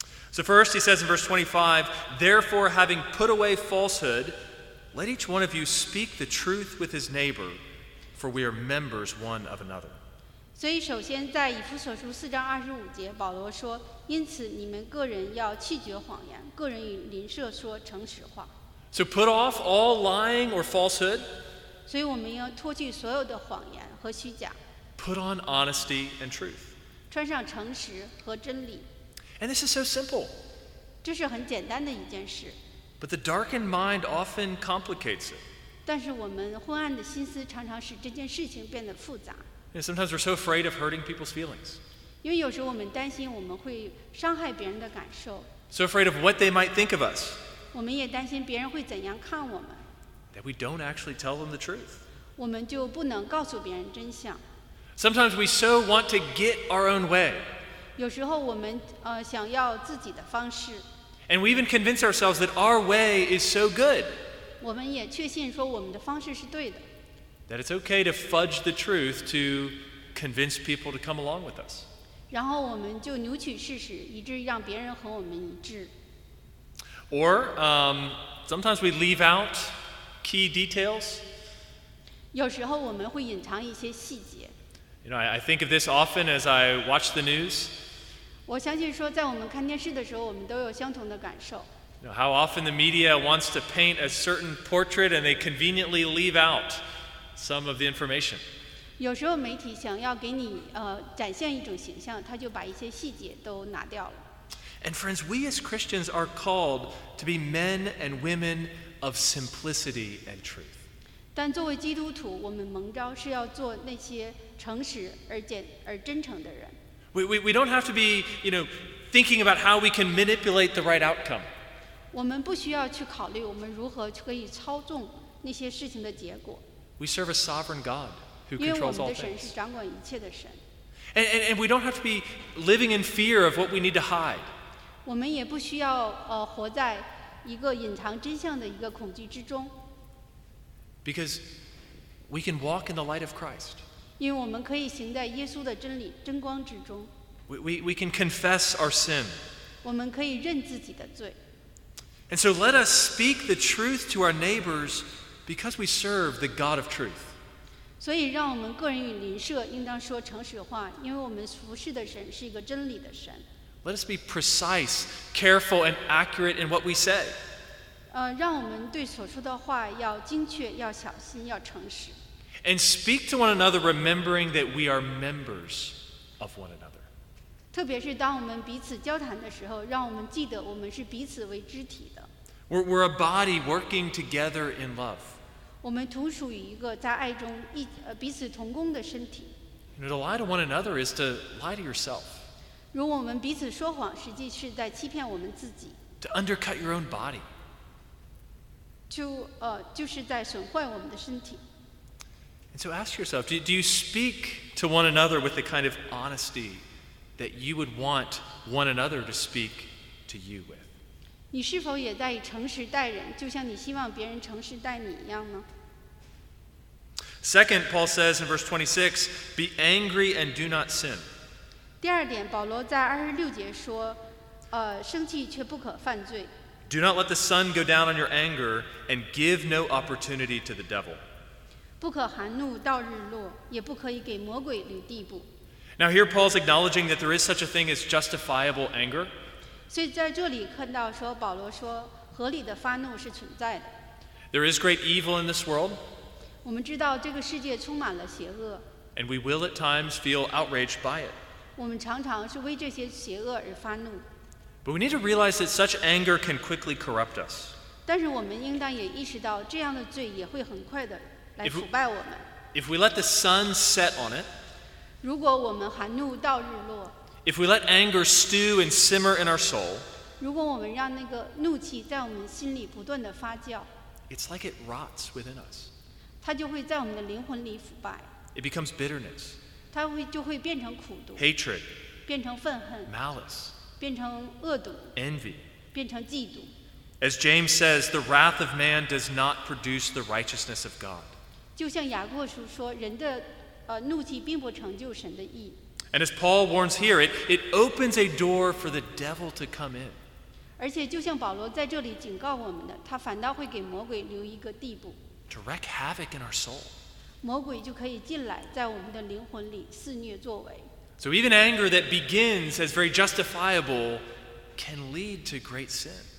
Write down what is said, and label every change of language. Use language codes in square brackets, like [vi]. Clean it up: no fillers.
[en] So first, he says in verse 25, Therefore, having put away falsehood, let each one of you speak the truth with his neighbor, for we are members one of another. [zh] 所以首先在以弗所书四章二十五节，保罗说，因此你们个人要弃绝谎言，个人与邻舍说诚实话。 [en] So put off all lying or falsehood. [zh] 所以我们要脱去所有的谎言和虚假。 [en] Put on honesty and truth. [zh] 穿上诚实和真理。 [en] And this is so simple. [zh] 这是很简单的一件事。 [en] But the darkened mind often complicates it. [zh] 但是我们昏暗的心思常常使这件事情变得复杂。 [en] And sometimes we're so afraid of hurting people's feelings. [zh] 因为有时候我们担心我们会伤害别人的感受。 [en] So afraid of what they might think of us. [zh] 我们也担心别人会怎样看我们。 [en] That we don't actually tell them the truth. [zh] 我们就不能告诉别人真相。 [en] Sometimes we so want to get our own way. [zh] 有时候我们想要自己的方式。 [en] And we even convince ourselves that our way is so good. [zh] 我们也确信说我们的方式是对的。 [en] That it's okay to fudge the truth to convince people to come along with us. [zh] 然后我们就扭曲事实，以致让别人和我们一致。 [en] Or sometimes we leave out key details. [zh] 有时候我们会隐藏一些细节。 [en] You know, I think of this often as I watch the news. [zh] 我相信说，在我们看电视的时候，我们都有相同的感受。 [en] You know, how often the media wants to paint a certain portrait, and they conveniently leave out some of the information. [zh] 有时候媒体想要给你展现一种形象，他就把一些细节都拿掉了。 [en] And friends, we as Christians are called to be men and women of simplicity and truth. [zh] 但作为基督徒，我们蒙召是要做那些诚实而真诚的人。 [en] We don't have to be, you know, thinking about how we can manipulate the right outcome. [zh] 我们不需要去考虑我们如何可以操纵那些事情的结果。 [en] We serve a sovereign God who controls all things. [zh] 因为我们的神是掌管一切的神。 [en] And we don't have to be living in fear of what we need to hide. [zh] 我们也不需要活在一个隐藏真相的一个恐惧之中。 [en] Because we can walk in the light of Christ. [zh] 因为我们可以行在耶稣的真理真光之中。 [en] We can confess our sin. [zh] 我们可以认自己的罪。 [en] And so let us speak the truth to our neighbors because we serve the God of truth. [zh] 所以让我们个人与邻舍应当说诚实话，因为我们服侍的神是一个真理的神。 [en] Let us be precise, careful, and accurate in what we say. [zh] 让我们对所说的话要精确，要小心，要诚实。 [en] And speak to one another, remembering that we are members of one another. [zh] 特别是当我们彼此交谈的时候，让我们记得我们是彼此为肢体的。 [en] We're a body working together in love. [zh] 我们同属于一个在爱中彼此同工的身体。 [en] You know, to lie to one another is to lie to yourself. [zh] 如果我们彼此说谎，实际是在欺骗我们自己。 [en] To undercut your own body. [zh] 就是在损坏我们的身体。 [en] And so ask yourself, do you speak to one another with the kind of honesty that you would want one another to speak to you with? [zh] 你是否也在以诚实待人，就像你希望别人诚实待你一样呢？ [en] Second, Paul says in verse 26, be angry and do not sin. [zh] 第二点，保罗在二十六节说，生气却不可犯罪。 [en] Do not let the sun go down on your anger and give no opportunity to the devil. [zh] 不可含怒到日落，也不可以给魔鬼留地步。 [en] Now here Paul's acknowledging that there is such a thing as justifiable anger. [zh] 所以在这里看到说，保罗说合理的发怒是存在的。 [en] There is great evil in this world. [zh] 我们知道这个世界充满了邪恶。 [en] And we will at times feel outraged by it. [zh] 我们常常是为这些邪恶而发怒。 [en] But we need to realize that such anger can quickly corrupt us. [zh] 但是我们应当也意识到这样的罪也会很快的来腐败我们。 [en] If we let the sun set on it, [zh] 如果我们含怒到日落， [en] if we let anger stew and simmer in our soul, [zh] 如果我们让那个怒气在我们心里不断的发酵， [en] it's like it rots within us. [zh] 它就会在我们的灵魂里腐败。 [en] It becomes bitterness. [zh] 它会就会变成苦毒。 [en] Hatred. [zh] 变成愤恨。 [en] Malice. [zh] 变成恶毒， [en] envy, [zh] 变成嫉妒。 [en] As James says, the wrath of man does not produce the righteousness of God. [zh] 就像雅各书说，人的怒气并不成就神的义。 [en] And as Paul warns here, it opens a door for the devil to come in. [zh] 而且就像保罗在这里警告我们的，他反倒会给魔鬼留一个地步。 [en] To wreak havoc in our soul. [zh] 魔鬼就可以进来，在我们的灵魂里肆虐作为。 [en] So even anger that begins as very justifiable can lead to great sin.